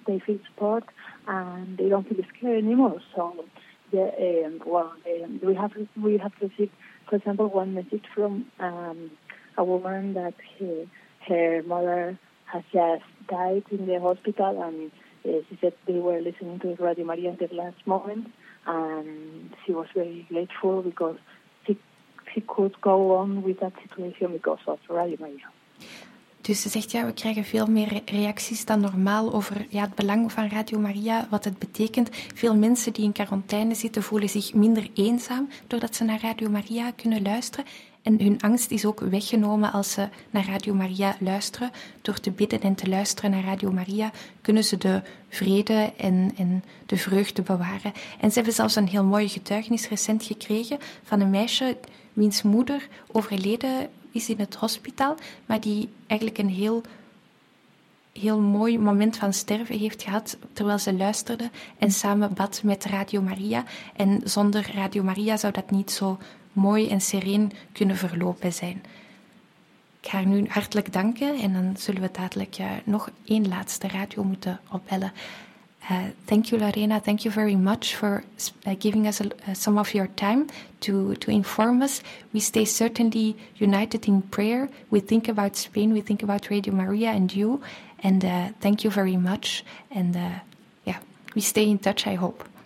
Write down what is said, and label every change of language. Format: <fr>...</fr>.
<en>They feel support and they don't feel scared anymore. So, we have received, for example, one message from a woman that her mother has just died in the hospital, and she said they were listening to Radio Maria at the last moment, and she was very grateful because she could go on with that situation because of Radio Maria.</en> <nl>Dus ze zegt, ja, we krijgen veel meer reacties dan normaal over ja, het belang van Radio Maria, wat het betekent. Veel mensen die in quarantaine zitten voelen zich minder eenzaam doordat ze naar Radio Maria kunnen luisteren. En hun angst is ook weggenomen als ze naar Radio Maria luisteren. Door te bidden en te luisteren naar Radio Maria kunnen ze de vrede en de vreugde bewaren. En ze hebben zelfs een heel mooie getuigenis recent gekregen van een meisje wiens moeder overleden is in het hospitaal, maar die eigenlijk een heel, heel mooi moment van sterven heeft gehad terwijl ze luisterde en samen bad met Radio Maria. En zonder Radio Maria zou dat niet zo mooi en sereen kunnen verlopen zijn. Ik ga haar nu hartelijk danken en dan zullen we dadelijk nog één laatste radio moeten opbellen.</nl> <en>Thank you, Lorena. Thank you very much for giving us some of your time to inform us. We stay certainly united in prayer. We think about Spain. We think about Radio Maria and you. And thank you very much. And yeah, we stay in touch, I hope.</en>